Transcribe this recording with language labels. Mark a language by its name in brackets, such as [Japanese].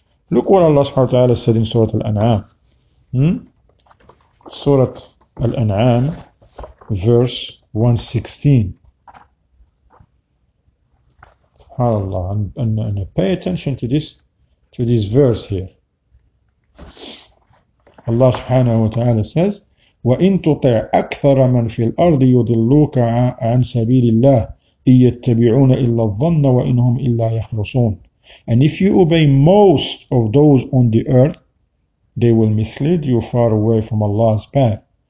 [English] Look what Allah subhanahu wa ta'ala said in Surah Al-An'am. Surah Al-An'am, verse 116. Allah, and pay attention to this verse here. Allah subhanahu wa ta'ala says, [Arabic] وَإِن تُطِعْ أَكْثَرَ مَن فِي الْأَرْضِ يُضِلُّوكَ عَن سَبِيلِ اللَّهِ إِن يَتَّبِعُونَ إِلَّا الظَّنَّ وَإِن هُمْ إِلَّا يَخْرُصُونَ. [English] And if you obey most of those on the earth, they will mislead you far away from Allah's path.